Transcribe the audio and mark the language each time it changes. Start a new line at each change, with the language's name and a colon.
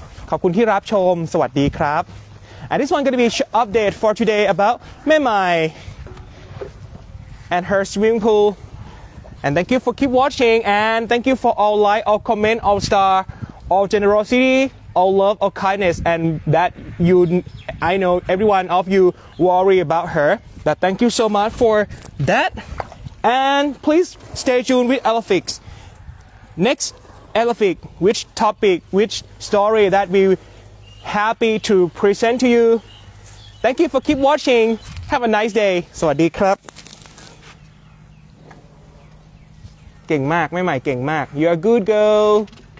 Thai: ขอบคุณที่รับชมสวัสดีครับ
English: And this one gonna be update for today about แม่ใหม่ and her swimming poolAnd thank you for keep watching and thank you for all like, all comment, all star, all generosity, all love, all kindness and that you, I know every one of you worry about her. But thank you so much for that. And please stay tuned with Eleflix. next Eleflix, which topic, which story that we happy to present to you. Thank you for keep watching. Have a nice day.
Thai: สวัสดีครับเก่งมากไม่ใหม่เก่งมาก
English: You are good girl